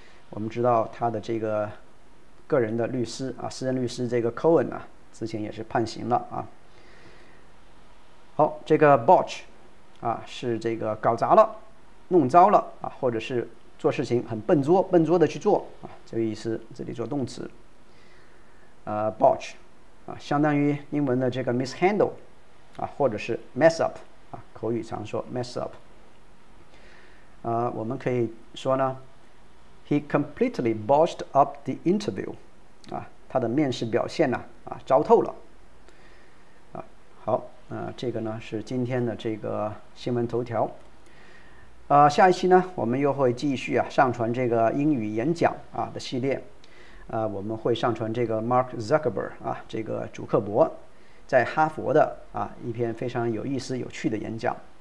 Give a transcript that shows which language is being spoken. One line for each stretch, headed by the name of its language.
Chinese: 我们知道他的这个个人的律师私人律师这个 Cohen 之前也是判刑了好，这个 botch 是这个搞砸了、弄糟了或者是做事情很笨拙、笨拙的去做这个意思，这里做动词。 botch 相当于英文的这个 mishandle 或者是 mess up 口语常说 mess up。我们可以说呢。
English: He completely botched up the interview，
Chinese: 他的面试表现呢，糟透了。好，这个呢是今天的这个新闻头条。下一期呢，我们又会继续上传这个英语演讲的系列。我们会上传这个 Mark Zuckerberg 这个祖克伯在哈佛的一篇非常有意思、有趣的演讲。